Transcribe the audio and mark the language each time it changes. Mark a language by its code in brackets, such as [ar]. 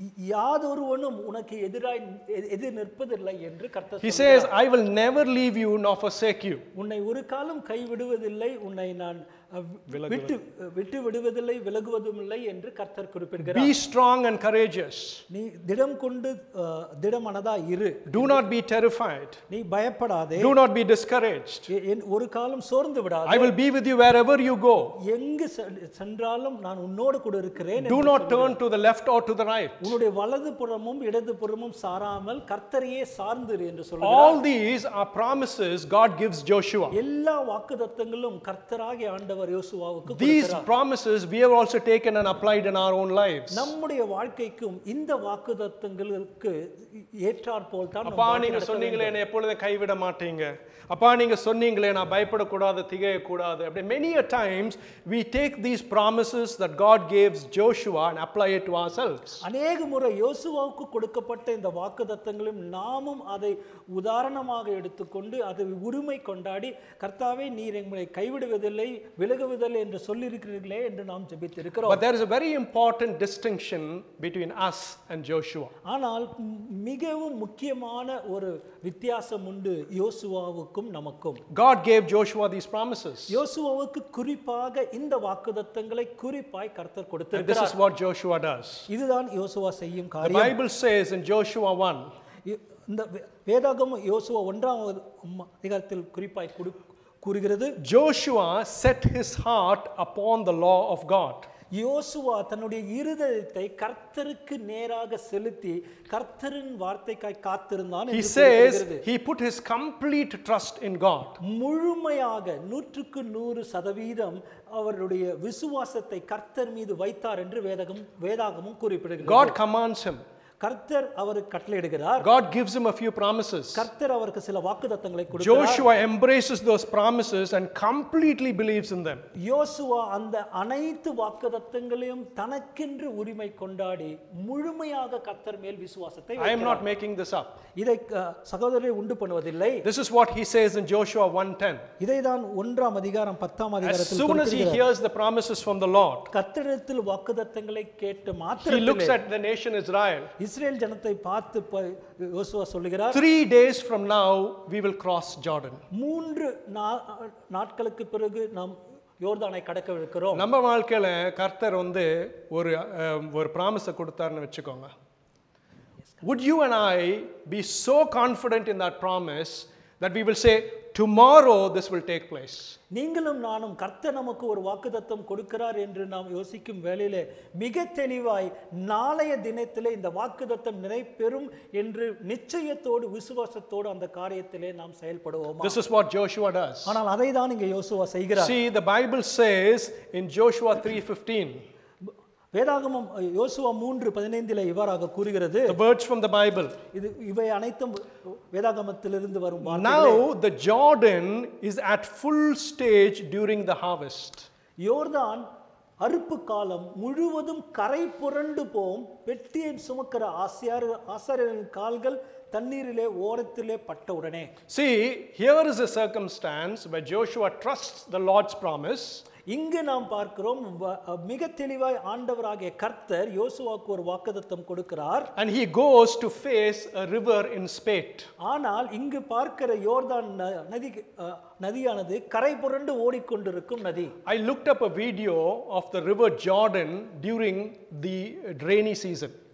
[ta] யாதொருவனும் உனக்கு எதிராய் எதிர் நிற்பதில்லை என்று கர்த்தர். [en] He says I will never leave you nor forsake you. [ta] உன்னை ஒரு காலம் கைவிடுவதில்லை, உன்னை நான் விட்டு விடுவதில்லை, விலகுவதும் இல்லை என்று கர்த்தர் குறிப்பிடுகிறார். [en] Be strong and courageous. [ta] நீ திடம் கொண்டு திடமனதா இரு. [en] Do not be terrified. [ta] நீ பயப்படாதே. [en] Do not be discouraged. [ta] ஒரு காலம் சோர்ந்து விடாதே. [en] I will be with you wherever you go. [ta] எங்கு சென்றாலும் நான் உன்னோடு கூட இருக்கிறேன். [en] Do not turn to the left or to the right. [ta] உன்னுடைய வலது புறமும் இடது புறமும் சாராமல் கர்த்தரையே சார்ந்து இரு என்று சொல்கிறார். [en] All these are promises God gives Joshua. [ta] எல்லா வாக்குத்தத்தங்களும் கர்த்தராகிய ஆண்டவர். [en] These promises we have also taken and applied in our own lives. [ta] நம்முடைய வாழ்க்கைக்கும் இந்த வாக்குத்தத்தங்களுக்கு ஏற்றார் போல் தான் நம்ம அப்பா நீங்க சொன்னீங்களே என்ன எப்பொழுதும் கைவிட மாட்டீங்க. அப்பா நீங்க சொன்னீங்களே நான் பயப்பட கூடாது, திகைய கூடாது. அப்படி [en] many a times we take these promises that God gives Joshua and apply it to ourselves. [ta] அநேக முறை யோசுவாவுக்கு கொடுக்கப்பட்ட இந்த வாக்குத்தத்தங்களையும் நாமும் அதை உதாரணமாக எடுத்துக்கொண்டு அதை உரிமை கொண்டாடி கர்த்தாவே நீர் எங்களை கைவிடுவதில்லை, விலகுவதில்லை என்று சொல்லியிருக்கிறீர்களே என்று நாம் ஜெபித்திருக்கிறோம். [en] But there is a very important distinction between us and Joshua. [ta] ஆனால் மிகவும் முக்கியமான ஒரு வித்தியாசம் உண்டு யோசுவாவுக்கும் நமக்கும். [en] God gave Joshua these promises. [ta] யோசுவாவுக்கு குறிப்பாக இந்த வாக்குத்தத்தங்களை குறிப்பாய் கர்த்தர் கொடுத்திருக்கிறார். [en] This is what Joshua does. [ta] இதுதான் யோசுவா செய்யும் காரியம். [en] The Bible says in Joshua 1. [ta] இந்த வேதாகமம் யோசுவா 1 அதிகாரத்தில் குறிப்பாய் கூறுகிறது, [en] Joshua set his heart upon the law of God. [ta] யோசுவா தன்னுடைய இருதயத்தை கர்த்தருக்கு நேராக செலுத்தி கர்த்தரின் வார்த்தைக்காய் காத்திருந்தான். [en] He says he put his complete trust in God. [ta] முழுமையாக 100% அவருடைய விசுவாசத்தை கர்த்தர் மீது வைத்தார் என்று வேதாகமம் குறிப்பிடுகிறது. [en] God commands him. [ta] கர்த்தர் அவருக்கு கட்டளையிடுகிறார். [en] God gives him a few promises. [ta] கர்த்தர் அவருக்கு சில வாக்குத்தத்தங்களை கொடுக்கிறார். [en] Joshua embraces those promises and completely believes in them. [ta] யோசுவா அந்த அனைத்து வாக்குத்தத்தங்களையும் தனக்கென்று உரிமை கொண்டாடி முழுமையாக கர்த்தர் மேல் விசுவாசத்தை வைக்கிறார். [en] I am not making this up. [ta] இதை சகோதரரே உண்டு பண்ணுவதில்லை. [en] This is what he says in Joshua 1:10. [ta] இதைதான் 1 அதிகாரம் 10 அதிகாரத்தில் சொல்கிறார். [en] As soon as he hears the promises from the Lord, [ta] கர்த்தரிடத்தில் வாக்குத்தத்தங்களை கேட்டு மாத்திரமே [en] he looks at the nation Israel. [ta] Israel ஜனத்தை பார்த்து யோசுவா சொல்லுகிறார், [en] 3 days from now we will cross Jordan. [ta] 3 நாட்களுக்கு பிறகு நாம் யோர்தானை கடக்க இருக்கிறோம். நம்ம வாழ்க்கையில கர்த்தர் வந்து ஒரு ப்ராமிஸ கொடுத்தாருன்னு வச்சுக்கோங்க. [en] Would you and I be so confident in that promise that we will say tomorrow this will take place? [ta] நீங்களும் நானும் கர்த்தர் நமக்கு ஒரு வாக்குத்தத்தம் கொடுக்கிறார் என்று நாம் யோசிக்கும் வேளையிலே மிக தெளிவாய் நாளைய தினத்திலே இந்த வாக்குத்தத்தம் நிறைவேறும் என்று நிச்சயத்தோடு விசுவாசத்தோடு அந்த காரியத்திலே நாம் செயல்படுவோமா? [en] This is what Joshua does. [ta] ஆனால் அதைதான் இங்கே யோசுவா செய்கிறார். [en] See, the Bible says in Joshua 3:15. [ta] வேதாகமம் யோசுவா 3:15 இவ்வாறாக கூறுகிறது. [en] The words from the Bible. [ta] இது இவை அனைத்தும் வேதாகமத்திலிருந்து வரும் வார்த்தைகள். [en] Now the Jordan is at full stage during the harvest. [ta] யோர்தான் அறுப்பு காலம் முழுவதும் கரை புரண்டு போம் பெட்டியை சுமக்கிற ஆசாரியரின் கால்கள் தண்ணீரிலே ஓரத்திலே பட்ட உடனே. [en] See, here is a circumstance where Joshua trusts the Lord's promise. [ta] இங்கு நாம் பார்க்கிறோம் மிக தெளிவாய் ஆண்டவராகிய கர்த்தர் யோசுவாக்கு ஒரு வாக்குத்தத்தம் கொடுக்கிறார். [en] And he goes to face a river in spate. [ta] ஆனால் இங்கு பார்க்கிற யோர்தான் நதி நதியானது கரை புரண்டு ஓடிக்கொண்டிருக்கும் நதி. [en] I looked up a video of the river Jordan during the rainy season.